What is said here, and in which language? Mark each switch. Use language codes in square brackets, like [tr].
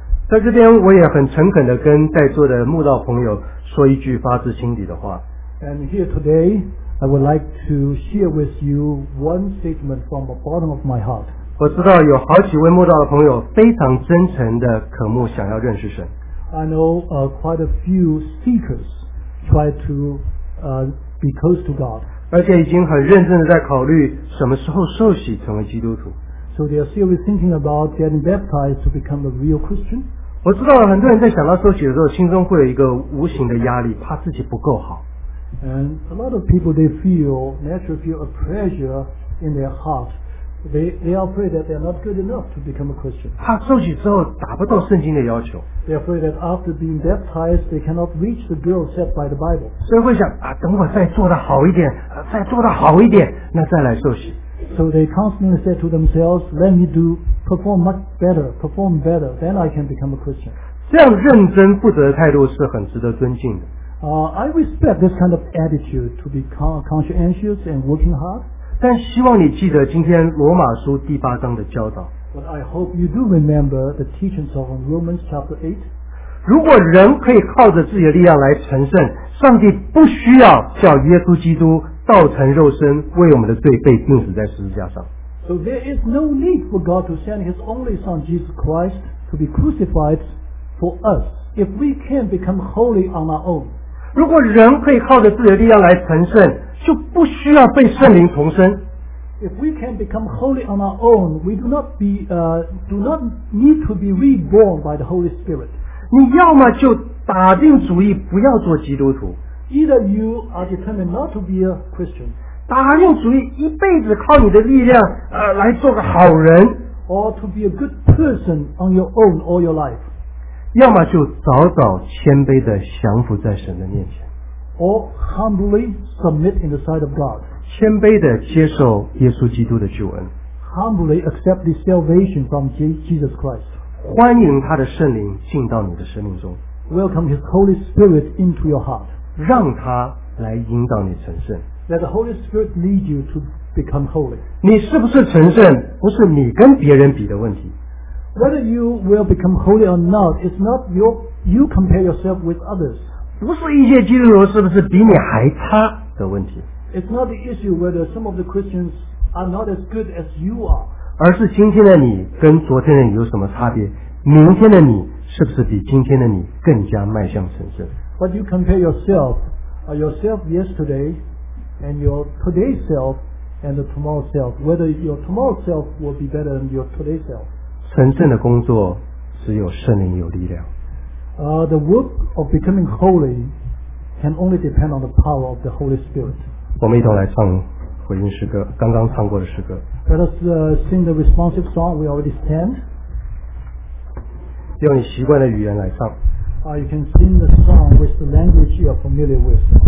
[zh] 在这边我也很诚恳地跟在座的慕道朋友说一句发自心底的话。 [en] And here today, I would like to share with you one statement from the bottom of my heart. [zh] 我知道有好几位慕道的朋友非常真诚地渴慕想要认识神。 [en] I know quite a few seekers try to be close to God. [zh] 而且已经很认真地在考虑什么时候受洗成为基督徒。 [en] So they are seriously thinking about getting baptized to become a real Christian. [zh] 我知道很多人在想到受洗的时候，心中会有一个无形的压力，怕自己不够好。 [en] And a lot of people they feel naturally feel a pressure in their heart. They are afraid that they are not good enough to become a Christian. [zh] 怕受洗之后达不到圣经的要求。 [en] They are afraid that after being baptized, they cannot reach the goal set by the Bible. [zh] 所以会想等我再做得好一点，再做得好一点，那再来受洗。 [en] So they constantly said to themselves, let me perform much better, perform better, then I can become a Christian. [zh] 这样认真负责的态度是很值得尊敬的。 [en] I respect this kind of attitude to be conscientious and working hard. [zh] 但希望你记得今天罗马书第八章的教导。 [en] But I hope you do remember the teachings of Romans chapter 8. [zh] 如果人可以靠着自己的力量来成圣，上帝不需要叫耶稣基督道成肉身，为我们的罪被钉死在十字架上。 [en] So there is no need for God to send His only Son Jesus Christ to be crucified for us if we can become holy on our own. [zh] 如果人可以靠着自己的力量来成圣，就不需要被圣灵重生。 [en] If we can become holy on our own, we do not need to be reborn by the Holy Spirit. [zh] 你要么就打定主意不要做基督徒。 [en] Either you are determined not to be a Christian. [zh] 打定主意一辈子靠你的力量来做个好人。 [en] Or to be a good person on your own all your life. [zh] 要么就早早谦卑地降服在神的面前。 [en] Or humbly submit in the sight of God. [zh] 谦卑地接受耶稣基督的救恩 [en] ，Humbly accept the salvation from Jesus Christ. [zh] 欢迎他的圣灵进到你的生命中 [en] ，Welcome His Holy Spirit into your heart. [zh] 让他来引导你成圣 [en] ，Let the Holy Spirit lead you to become holy. [zh] 你是不是成圣，不是你跟别人比的问题。 [en] Whether you will become holy or not, it's not you compare yourself with others. [zh] 不是一介基督徒是不是比你还差的问题。 [en] It's not the issue whether some of the Christians are not as good as you are. [zh] 而是今天的你跟昨天的你有什么差别？明天的你是不是比今天的你更加迈向成圣？ [en] But you compare yourself, yourself yesterday, and your today's self, and the tomorrow's self. Whether your tomorrow's self will be better than your today's self. [zh] 成圣的工作只有圣灵有力量。 [en] The work of becoming holy can only depend on the power of the Holy Spirit. [zh] 我们一同来唱回应诗歌，刚刚唱过的诗歌。 [en] Let us sing the responsive song we already sang. [zh] 用你习惯的语言来唱。 [en] You can sing the song with the language you are familiar with.